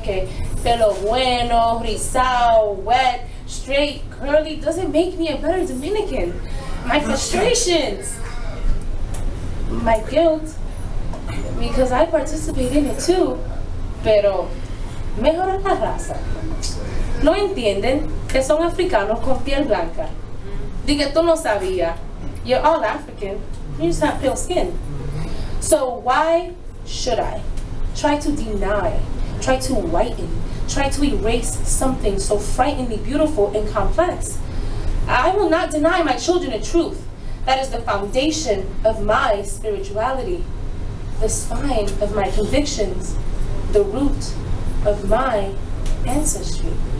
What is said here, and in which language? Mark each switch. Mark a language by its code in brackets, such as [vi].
[en] Okay, [es] pelo bueno, rizado, [en] wet, straight, curly doesn't make me a better Dominican. My frustrations, my guilt, because I participate in it too. [es] Pero mejora la raza. No entienden que son africanos con piel blanca. Diga, tú no sabía. [en] You're all African, you just have pale skin. So why should I try to deny, try to whiten, try to erase something so frighteningly beautiful and complex? I will not deny my children a truth that is the foundation of my spirituality, the spine of my convictions, the root of my ancestry.